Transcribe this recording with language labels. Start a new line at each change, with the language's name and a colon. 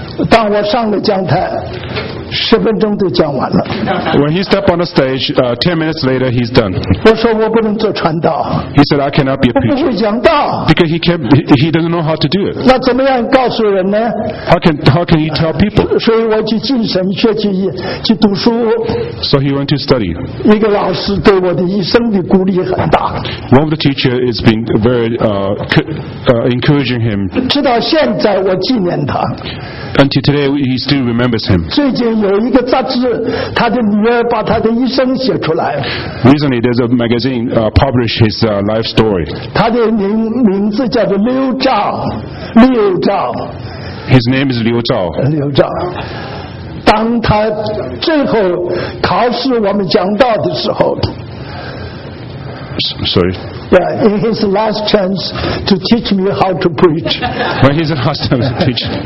Chinese: 当我上了讲台，十分钟就讲完了。
English: When he stepped on the stage, 10 minutes later, he's done.
Chinese: 我说我不能做传道。
English: He said, I cannot be a preacher.
Chinese: 我不会讲道。
English: Because he doesn't know how to do it.
Chinese: 那怎么样告诉人呢？
English: How can he tell people?
Chinese: 所以我去进神学去读书。
English: So he went to study.
Chinese: 一个老师对我的一生的鼓励很大。
English: One of the teachers has been very encouraging him.
Chinese: 直到现在我纪念他。
English: Until today, he still remembers him.
Chinese: 最近有一个杂志，他的女儿把他的一生写出来。
English: Recently, there's a magazine published his life story.
Chinese: 他的名字叫做刘兆，刘兆。
English: His name is 刘兆。
Chinese: 刘兆。当他最后考试我们讲到的时候。
English: Sorry. Yeah, in his last chance to teach me how to preach. When he's in last chance to teach.